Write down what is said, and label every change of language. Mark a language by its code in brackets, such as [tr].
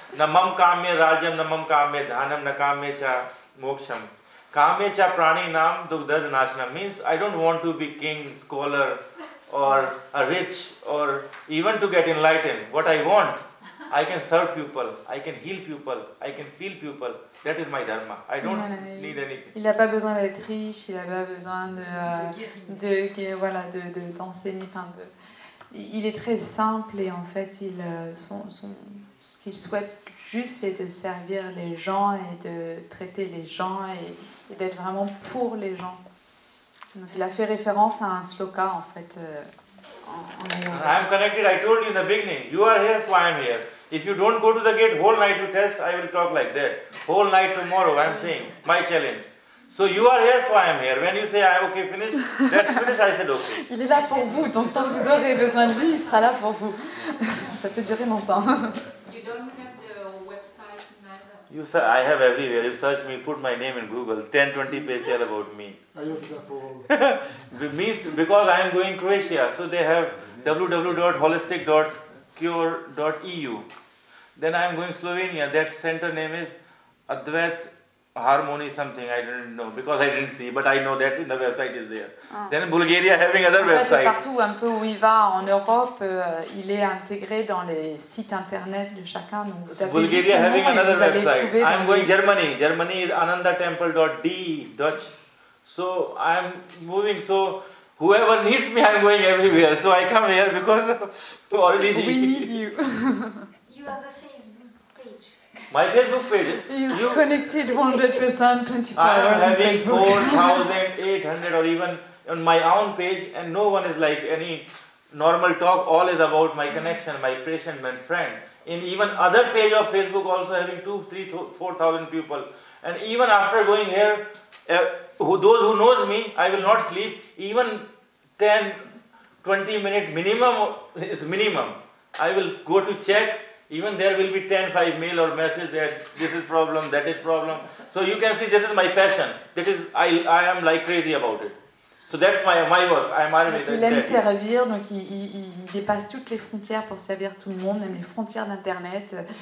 [sa] Namam kamya rajam, namam kamya dhanam, nakamya cha moksham. Kamya cha prani nam dugdad nashna. [en] Means I don't want to be king, scholar, or a rich, or even to get enlightened. What I want, I can serve people, I can heal people, I can feel people. That is my dharma. I don't need anything. [fr] Il n'a pas besoin d'être riche, il n'a pas besoin d'enseigner. Enfin, il est très simple et en fait, ce qu'il souhaite juste, c'est de servir les gens et de traiter les gens et d'être vraiment pour les gens. Donc, il a fait référence à un sloka en fait. [en] I am connected. I told you in the beginning. You are here, so I am here. If you don't go to the gate whole night to test, I will talk like that. Whole night tomorrow, I am saying. My challenge. So you are here, so I am here. When you say, I am okay, finish. Let's finish, I said okay. [fr] Il est là pour vous. Donc tant que vous aurez besoin de lui, il sera là pour vous. Ça peut durer longtemps. [en] You don't have the website neither. You sir, I have everywhere. You search me, put my name in Google. 10-20 pages tell about me. Because I am going to Croatia, so they have www.holistic.cure.eu. Then I am going to Slovenia, that center name is Advait Harmony something, I didn't know, because I didn't see, but I know that the website is there. Then Bulgaria having other website. [fr] Partout un peu où il va en Europe, il est intégré dans les sites internet de chacun. Donc vous avez [en] Bulgaria having another website. I am going Germany. Germany is anandatemple.de, Dutch. So I am moving, so whoever needs me, I am going everywhere. So I come here because of all the... We need you. You have a Facebook page. My Facebook page? He's connected 100% 24 hours on Facebook. I am having 4,800 or even on my own page, and no one is like any normal talk. All is about my connection, my patient, my friend. In even other page of Facebook also having 2,000-4,000 people. And even after going here, those who knows me, I will not sleep even 10-20 minutes minimum. Is minimum. I will go to check. Even there will be 10-5 mail or message that this is problem, that is problem. So you can see this is my passion. That is I am like crazy about it. So that's my work. I am already. [fr] Il aime servir, donc il dépasse toutes les frontières pour servir tout le monde, même les frontières d'internet.